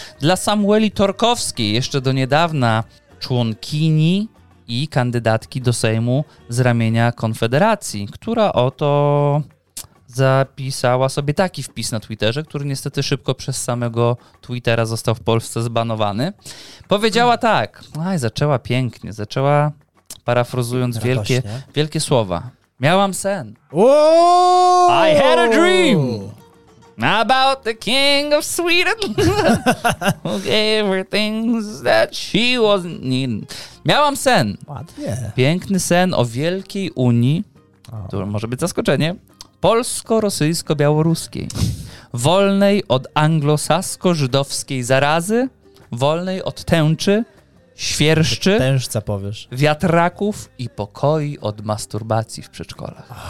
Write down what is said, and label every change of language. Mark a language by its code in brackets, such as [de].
[pl] Dla Samueli Torkowskiej, jeszcze do niedawna członkini i kandydatki do Sejmu z ramienia Konfederacji, która oto zapisała sobie taki wpis na Twitterze, który niestety szybko przez samego Twittera został w Polsce zbanowany. Powiedziała tak, zaczęła pięknie, zaczęła parafrazując wielkie słowa. Miałam sen. Ooh! [en] I had a dream about the king of Sweden who gave her things that she wasn't needing. [pl] Miałam sen. Ładnie. Piękny sen o wielkiej Unii, który może być zaskoczenie, polsko-rosyjsko-białoruskiej, wolnej od anglosasko-żydowskiej zarazy, wolnej od tęczy, świerszczy, tężca powiesz, wiatraków i pokoi od masturbacji w przedszkolach.